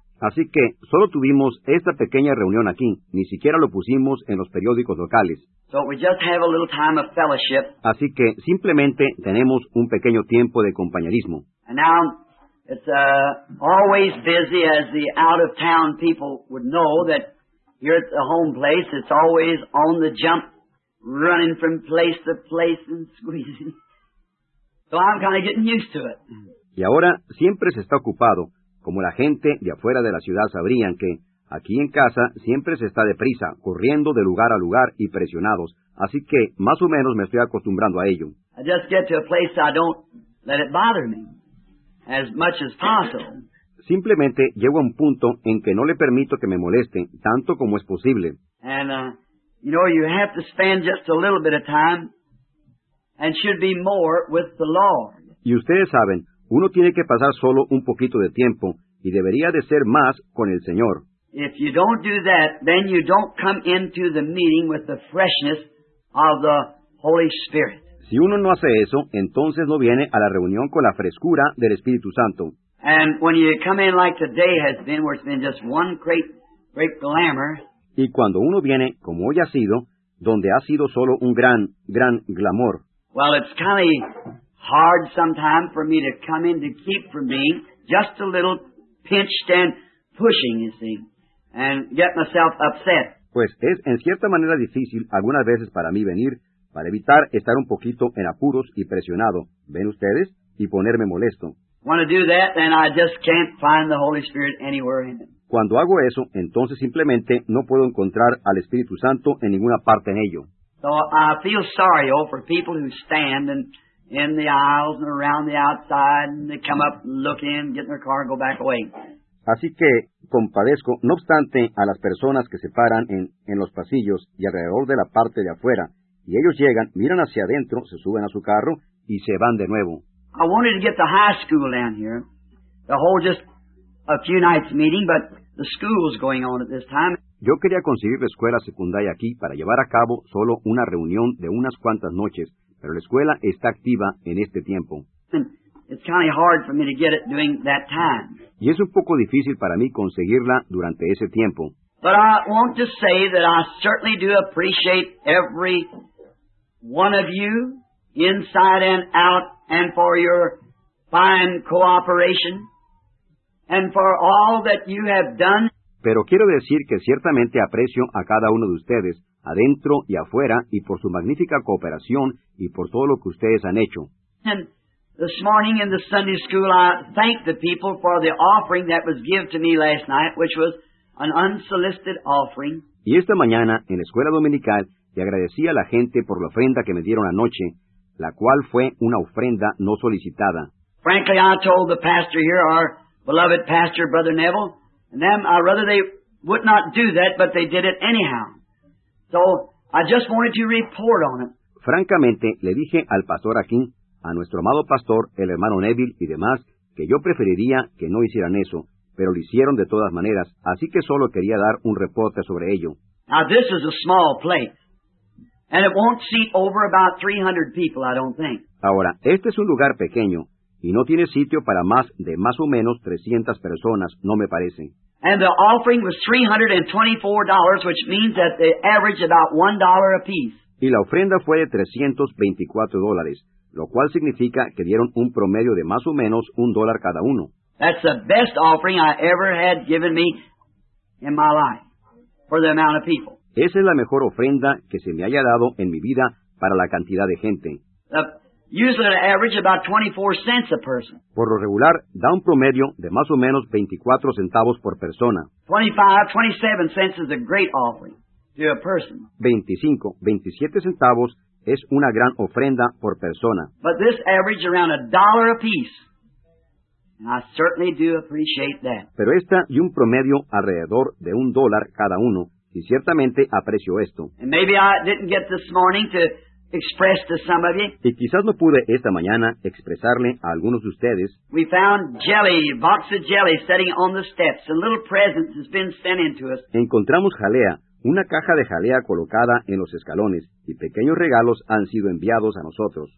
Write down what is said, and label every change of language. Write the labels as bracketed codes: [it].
[es] Así que solo tuvimos esta pequeña reunión aquí, ni siquiera lo pusimos en los periódicos locales. [en] So we just have a little time of fellowship. [es] Así que simplemente tenemos un pequeño tiempo de compañerismo. [en] And now it's always busy, as the out of town people would know, that here at the home place it's always on the jump, running from place to place and squeezing. So I'm kind of getting used to it. [es] Y ahora siempre se está ocupado, como la gente de afuera de la ciudad sabrían que aquí en casa siempre se está deprisa, corriendo de lugar a lugar y presionados. Así que más o menos me estoy acostumbrando a ello. [en] I just get to a place I don't let it bother me as much as possible. [es] Simplemente llego a un punto en que no le permito que me moleste tanto como es posible. [en] And you know, you have to spend just a little bit of time, and should be more, with the Lord. [es] Y ustedes saben, uno tiene que pasar solo un poquito de tiempo, y debería de ser más con el Señor. [en] If you don't do that, then you don't come into the meeting with the freshness of the Holy Spirit. [es] Si uno no hace eso, entonces no viene a la reunión con la frescura del Espíritu Santo. [en] And when you come in like today has been, where it's been just one great glamour. [es] Y cuando uno viene, como hoy ha sido, donde ha sido solo un gran glamour. [en] Well, it's kind of hard sometimes for me to come in to keep from being just a little pinched and pushing, you see, and get myself upset. [es] Pues es en cierta manera difícil algunas veces para mí venir para evitar estar un poquito en apuros y presionado, ¿ven ustedes? Y ponerme molesto. [en] Want to do that, then I just can't find the Holy Spirit anywhere in it. [es] Cuando hago eso, entonces simplemente no puedo encontrar al Espíritu Santo en ninguna parte en ello. [en] So I feel sorry for people who stand and in the aisles and around the outside, and they come up, look in, get in their car, and go back away. [es] Así que compadezco, no obstante, a las personas que se paran en los pasillos y alrededor de la parte de afuera, y ellos llegan, miran hacia adentro, se suben a su carro y se van de nuevo. [en] I wanted to get the high school down here, to hold just a few nights meeting, but the school's going on at this time. [es] Yo quería conseguir la escuela secundaria aquí para llevar a cabo solo una reunión de unas cuantas noches, pero la escuela está activa en este tiempo. [en] It's kind of hard for me to get it during that time. [es] Y es un poco difícil para mí conseguirla durante ese tiempo. [en] But I want to say that I certainly do appreciate every one of you, inside and out, and for your fine cooperation, and for all that you have done. [es] Pero quiero decir que ciertamente aprecio a cada uno de ustedes, adentro y afuera, y por su magnífica cooperación y por todo lo que ustedes han hecho. [en] And this morning in the Sunday school, I thanked the people for the offering that was given to me last night, which was an unsolicited offering. [es] Y esta mañana, en la escuela dominical, le agradecí a la gente por la ofrenda que me dieron anoche, la cual fue una ofrenda no solicitada. [en] Frankly, I told the pastor here, our beloved pastor, Brother Neville, and them, I'd rather they would not do that, but they did it anyhow. So, I just wanted to report on it. [es] Francamente, le dije al pastor aquí, a nuestro amado pastor, el hermano Neville y demás, que yo preferiría que no hicieran eso, pero lo hicieron de todas maneras, así que solo quería dar un reporte sobre ello. [en] Now, this is a small place, and it won't seat over about 300 people, I don't think. [es] Ahora, este es un lugar pequeño, y no tiene sitio para más o menos 300 personas, no me parece. [en] And the offering was $324, which means that they average about $1 a piece. [es] Y la ofrenda fue de $324, lo cual significa que dieron un promedio de más o menos $1 cada uno. [en] That's the best offering I ever had given me in my life for the amount of people. [es] Esa es la mejor ofrenda que se me haya dado en mi vida para la cantidad de gente. [en] Usually an average about 24 cents a person. [es] Por lo regular, da un promedio de más o menos 24 centavos por persona. [en] 25, 27 cents is a great offering to a person. [es] 25, 27 centavos es una gran ofrenda por persona. [en] But this averaged around a dollar a piece. And I certainly do appreciate that. [es] Pero esta y un promedio alrededor de un dólar cada uno. Y ciertamente aprecio esto. [en] And maybe I didn't get this morning to express to some of you. [es] Y quizás no pude esta mañana expresarle a algunos de ustedes. [en] We found jelly, box of jelly, sitting on the steps. A little present has been sent into us. [es] Encontramos jalea, una caja de jalea colocada en los escalones, y pequeños regalos han sido enviados a nosotros.